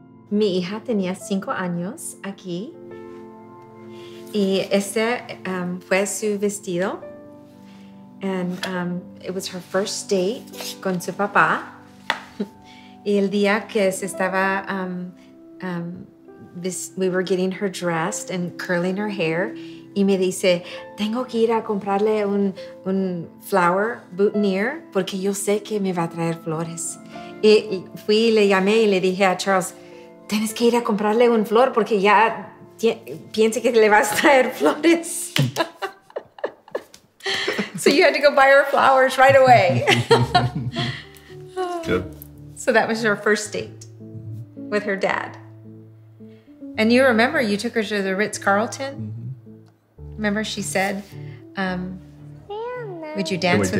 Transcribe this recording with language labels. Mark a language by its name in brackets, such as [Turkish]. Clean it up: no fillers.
[Spanish] Mi hija tenía 5 años aquí y ese fue su vestido. [English] And it was her first date [Spanish] con su papá. Y el día que se estaba, [English] we were getting her dressed and curling her hair. [Spanish] Y me dice, tengo que ir a comprarle un [English] flower boutonniere [Spanish] porque yo sé que me va a traer flores. Y fui y le llamé y le dije a Charles, tienes que ir a comprarle un flor porque ya piensa que le vas a traer flores. [English] So you had to go buy her flowers right away. Good. So that was your first date with her dad. And you remember you took her to the Ritz-Carlton? Mm-hmm. Remember she said, would you dance with